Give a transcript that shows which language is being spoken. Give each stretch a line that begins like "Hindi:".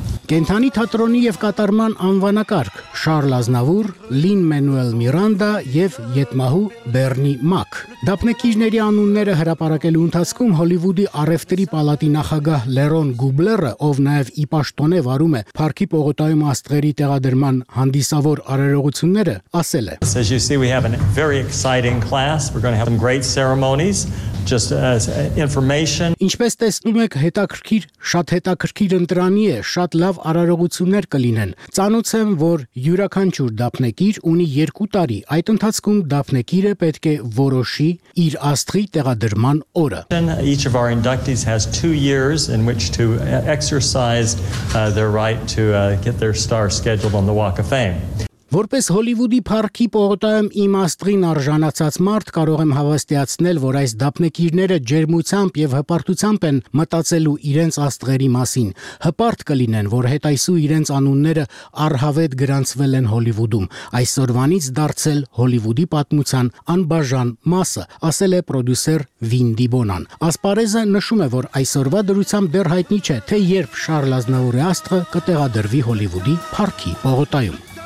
Armenian: Կենթանի թատրոնի եւ կատարման անվանակարգ՝ Շարլ Ազնավուր, Լին Մենուել Միրանդա եւ Յետմահու Բեռնի Մակ։ Դափնեկիրների անունները հրապարակելու ընթացքում Հոլիվուդի Արևտրի պալատի նախագահ Լերոն Գուբլերը, ով նաեւ ի պաշտոնե վարում է Փարքի Պողոտայում աստղերի տեղադրման հանդիսավոր արարողությունները, ասել է.
English: As you see, we have a very exciting class. We're going to have some great ceremonies. Just as information.
Armenian: Ինչպես տեսնում եք, հետաքրքիր, շատ հետաքրքիր ընտրանի է, շատ լավ արարողություններ կլինեն։ Ծանոցեմ, որ յուրաքանչյուր դափնեկիր ունի 2 տարի։ Այդ ընթացքում դափնեկիրը պետք է որոշի իր աստղի տեղադրման օրը։
English: Each of our inductees has 2 years in which to exercise their right to get their star scheduled on the Walk of Fame.
Armenian: Որպես Հոլիվուդի Փարքի Պողոտայում իմ աստղին արժանացած մարդ կարող եմ հավաստիացնել, որ այս դափնեկիրները ջերմությամբ եւ հպարտությամբ են մտածելու իրենց աստղերի մասին։ Հպարտ կլինեն, որ հետայսու իրենց անունները առհավետ գրանցվել են Հոլիվուդում, այսօրվանից դարձել Հոլիվուդի պատմության անբաժան մասը, ասել է պրոդյուսեր Վին Դիբոնան։ Ասպարեզը նշում է, որ այսօրվա դրությամբ դեռ հայտնի չէ, թե երբ Շարլ Ազնավուրի աստղը կտեղադրվի Հոլիվուդի Փարքի Պողոտայում։